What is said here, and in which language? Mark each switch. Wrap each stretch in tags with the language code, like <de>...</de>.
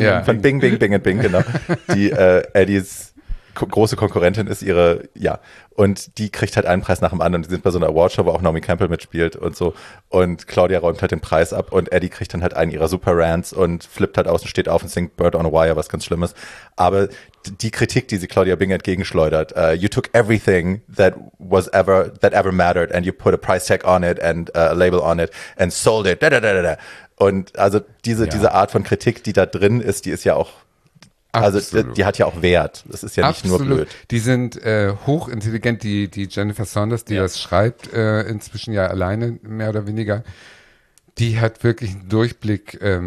<de>ja. Von Bing, Bing, Bing und Bing, genau. Die Eddies große Konkurrentin ist ihre, ja. Und die kriegt halt einen Preis nach dem anderen. Und die sind bei so einer Awardshow, wo auch Naomi Campbell mitspielt und so. Und Claudia räumt halt den Preis ab und Eddie kriegt dann halt einen ihrer Super-Rants und flippt halt aus und steht auf und singt Bird on a Wire, was ganz Schlimmes. Aber die Kritik, die sie Claudia Bing entgegenschleudert,</de> <en>you took everything that ever mattered and you put a price tag on it and a label on it and sold it. Da-da-da-da-da.</en> <de>Und also diese Art von Kritik, die da drin ist, die ist ja auch, absolut. Also die hat ja auch Wert. Das ist ja nicht absolut. Nur blöd. Die sind hochintelligent, die Jennifer Saunders, die das schreibt, inzwischen ja alleine mehr oder weniger, die hat wirklich einen Durchblick,</de>